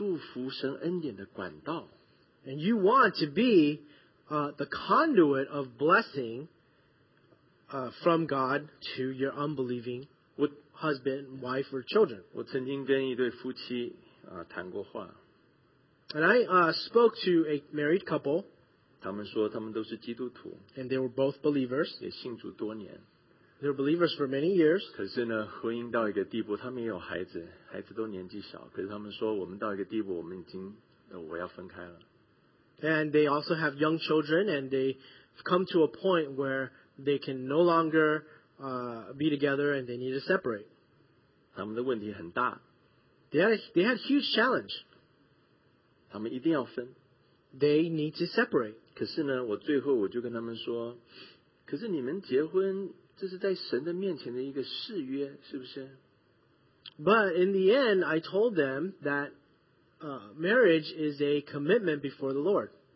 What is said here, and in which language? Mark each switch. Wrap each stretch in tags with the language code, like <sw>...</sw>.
<zh>然后你要让神使用你，成为你那不幸的丈夫或妻子，和带领你的孩子的这个祝福神恩典的管道。</zh> <en>And you want to be the conduit of blessing from God to your unbelieving husband, wife, or children.</en> <zh>我曾经跟一对夫妻谈过话。</zh> <en>And I spoke to a married couple.</en> <zh>他们说他们都是基督徒。</zh> <en>And they were both believers.</en> <zh>也信主多年。</zh> <en>They were believers for many years.</en> <zh>可是呢，婚姻到一个地步，他们也有孩子，孩子都年纪小。可是他们说，我们到一个地步，我们已经，我要分开了。</zh> <en>And they also have young children, and they've come to a point where they can no longer be together and they need to separate.</en> <zh>他们的问题很大,</zh> <en>they had a huge challenge.</en> <zh>他们一定要分,</zh> <en>they need to separate.</en> <zh>可是呢, 我最后我就跟他们说, 可是你们结婚, 这是在神的面前的一个誓约, 是不是?</zh> <en>But in the end, I told them that marriage is a commitment before the Lord.</en>